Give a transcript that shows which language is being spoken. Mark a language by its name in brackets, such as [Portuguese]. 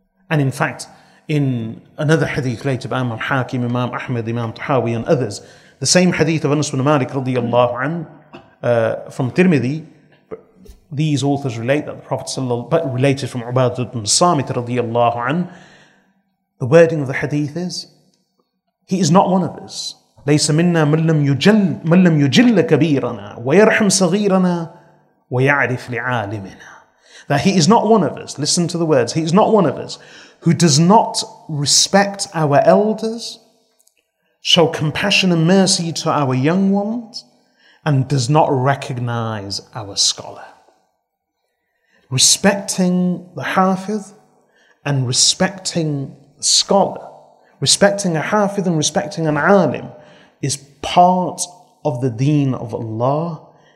[English] And in fact, in another hadith related by Imam Hakim, Imam Ahmad, Imam Tahawi, and others, the same hadith of Anas ibn Malik radiyallahu anhu from Tirmidhi, these authors relate that the Prophet sallallahu alaihi wasallam, related from Ubadah ibn Samit radiyallahu anhu, the wording of the hadith is, he is not one of us. [Arabic] ليس منا من لم يجل كبيرنا ويرحم صغيرنا ويعرف لعالمنا. [English] That he is not one of us, listen to the words, he is not one of us who does not respect our elders, show compassion and mercy to our young ones, and does not recognize our scholar. Respecting the hafidh and respecting the scholar, respecting a hafidh and respecting an alim, is part of the deen of Allah.